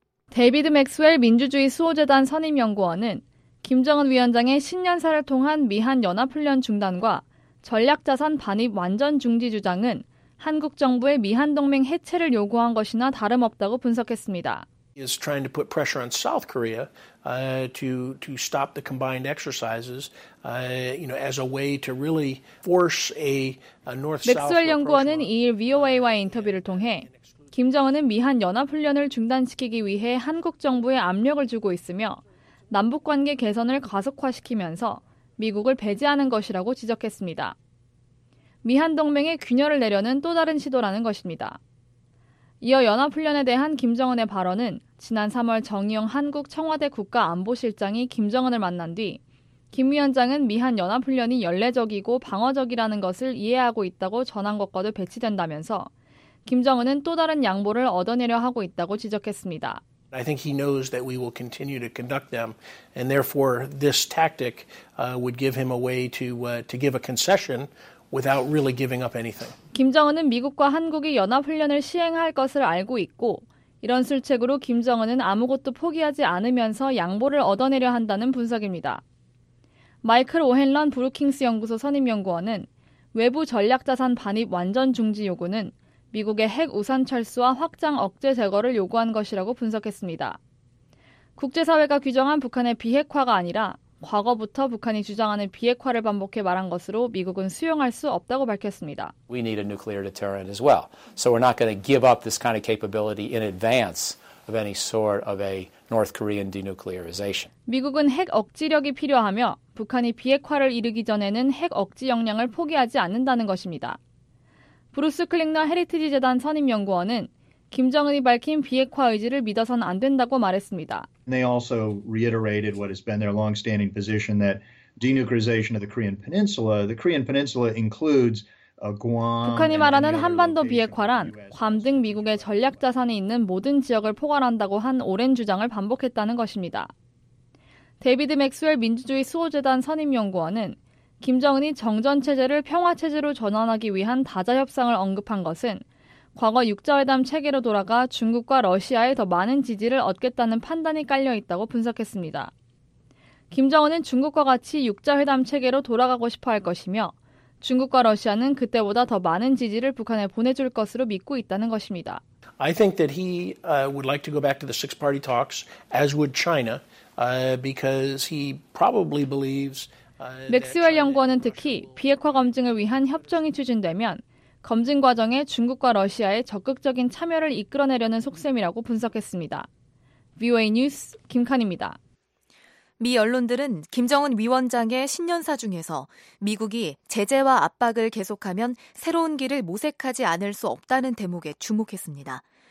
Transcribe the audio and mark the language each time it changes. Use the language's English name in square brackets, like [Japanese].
[Korean] 데이비드 맥스웰 민주주의 수호재단 선임연구원은 김정은 위원장의 신년사를 통한 미한 연합훈련 중단과 전략자산 반입 완전 중지 주장은 한국 정부의 미한 동맹 해체를 요구한 것이나 다름없다고 분석했습니다. [English] Is trying to put pressure on South Korea to stop the combined exercises, you know, as a way to really force a North-South. [Korean] 맥스웰 연구원은 이일 VOA와의 인터뷰를 통해 김정은은 미한 연합 훈련을 중단시키기 위해 한국 정부에 압력을 주고 있으며 남북 관계 개선을 가속화시키면서 미국을 배제하는 것이라고 지적했습니다. 미한 동맹의 균열을 내려는 또 다른 시도라는 것입니다. 이어 연합훈련에 대한 김정은의 발언은 지난 3월 정의용 한국 청와대 국가안보실장이 김정은을 만난 뒤 김 위원장은 미한 연합훈련이 연례적이고 방어적이라는 것을 이해하고 있다고 전한 것과도 배치된다면서 김정은은 또 다른 양보를 얻어내려 하고 있다고 지적했습니다. [English] I think he knows that we will continue to conduct them, and therefore this tactic would give him a way to give a concession without really giving up anything. [Korean] 김정은은 미국과 한국이 연합훈련을 시행할 것을 알고 있고 이런 술책으로 김정은은 아무것도 포기하지 않으면서 양보를 얻어내려 한다는 분석입니다. 마이클 오헨런 브루킹스 연구소 선임연구원은 외부 전략자산 반입 완전 중지 요구는 미국의 핵 우산 철수와 확장 억제 제거를 요구한 것이라고 분석했습니다. 국제사회가 규정한 북한의 비핵화가 아니라 과거부터 북한이 주장하는 비핵화를 반복해 말한 것으로 미국은 수용할 수 없다고 밝혔습니다. [English] We need a nuclear deterrent as well. So we're not going to give up this kind of capability in advance of any sort of a North Korean denuclearization. [Korean] 미국은 핵 억지력이 필요하며 북한이 비핵화를 이루기 전에는 핵 억지 역량을 포기하지 않는다는 것입니다. 브루스 클링너 헤리티지 재단 선임 연구원은 김정은이 밝힌 비핵화 의지를 믿어선 안 된다고 말했습니다. [English] They also reiterated what has been their long-standing position that denuclearization of the Korean Peninsula. The Korean Peninsula includes Guam. [Korean] 북한이 말하는 한반도 비핵화란 괌 등 미국의 전략 자산이 있는 모든 지역을 포괄한다고 한 오랜 주장을 반복했다는 것입니다. 데이비드 맥스웰 민주주의 수호재단 선임 연구원은 김정은이 정전 체제를 평화 체제로 전환하기 위한 다자 협상을 언급한 것은 과거 6자회담 체계로 돌아가 중국과 러시아에 더 많은 지지를 얻겠다는 판단이 깔려 있다고 분석했습니다. 김정은은 중국과 같이 6자회담 체계로 돌아가고 싶어 할 것이며 중국과 러시아는 그때보다 더 많은 지지를 북한에 보내줄 것으로 믿고 있다는 것입니다. [English] I think that he would like to go back to the six-party talks, as would China, because he probably believes. [Korean] 맥스웰 연구원은 특히 비핵화 검증을 위한 협정이 추진되면 검증 과정에 중국과 러시아의 적극적인 참여를 이끌어내려는 속셈이라고 분석했습니다. VOA 뉴스 김칸입니다. 미 언론들은 김정은 위원장의 신년사 중에서 미국이 제재와 압박을 계속하면 새로운 길을 모색하지 않을 수 없다는 대목에 주목했습니다.